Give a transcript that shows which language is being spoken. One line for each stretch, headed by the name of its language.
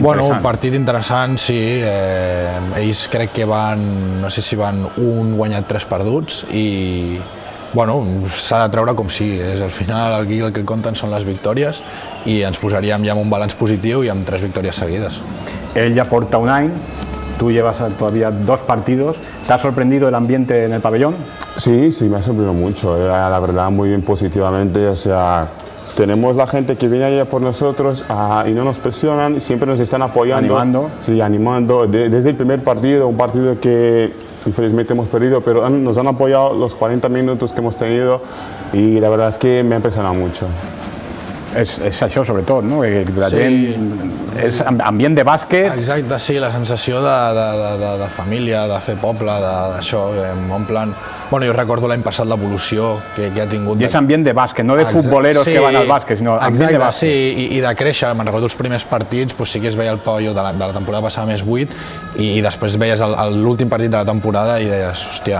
Catalan: Bueno, un partit interessant, sí. Ells crec que van, no sé si van un guanyat, tres perduts i... Bueno, s'ha de treure com sigui, és al final aquí el que compten són les victòries i ens posaríem ja amb un balanç positiu i amb tres victòries seguides. Ell ja porta un any,
Spanish: tu llevas todavía dos partidos. ¿Te ha sorprendido el ambiente en el pabellón? Sí, sí, me ha sorprendido mucho, la verdad, muy bien positivamente. O sea, tenemos la gente que viene allá por nosotros y no nos presionan, siempre nos están apoyando. ¿Animando? Sí, animando. Desde el primer partido, un partido que... Infelizmente hemos perdido, pero nos han apoyado los 40 minutos que hemos tenido y la verdad es que me ha impresionado mucho.
Catalan: És això, sobretot, no? Que la gent... És ambient de bàsquet... Exacte, sí, la sensació de família, de fer poble, d'això, en plan... Bueno, jo recordo l'any passat l'evolució que ha tingut... I és ambient de bàsquet, no de futboleros que van al bàsquet, sinó ambient de bàsquet. Exacte, sí, i de créixer. Me'n recordo els primers partits, sí que es veia el pavelló de la temporada passada més buit i després veies l'últim partit de la temporada i deies, hòstia...